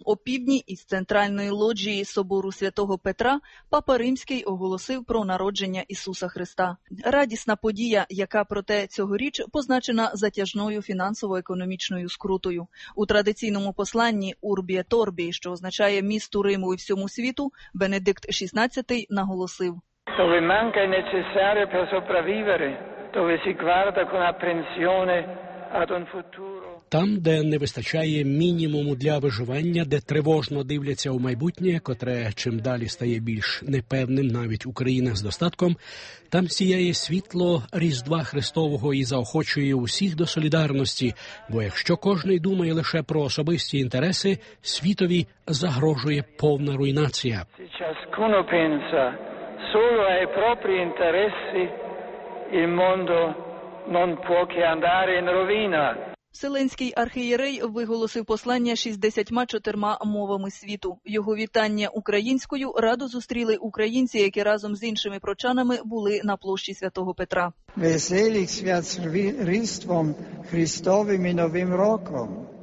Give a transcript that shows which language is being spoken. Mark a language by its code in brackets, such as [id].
[uk] Опівдні із центральної лоджії собору Святого Петра Папа Римський оголосив про народження Ісуса Христа. Радісна подія, яка проте цьогоріч позначена затяжною фінансово-економічною скрутою. У традиційному посланні «Урбі ет орбі», що означає «місту Риму і всьому світу», Бенедикт XVI наголосив. [it] Dove manca il necessario per sopravvivere, dove si guarda con apprensione ad un futuro. [uk] Там, де не вистачає мінімуму для виживання, де тривожно дивляться у майбутнє, котре чим далі стає більш непевним, навіть у країнах з достатком, там сіяє світло Різдва Христового і заохочує усіх до солідарності. Бо якщо кожний думає лише про особисті інтереси, світові загрожує повна руйнація. [it] Ciascuno pensa solo ai propri interessi, il mondo non può che andare in rovina. [uk] Вселенський архієрей виголосив послання 64 мовами світу. Його вітання українською радо зустріли українці, які разом з іншими прочанами були на площі Святого Петра. Веселих свят з Різдвом Христовим і Новим роком,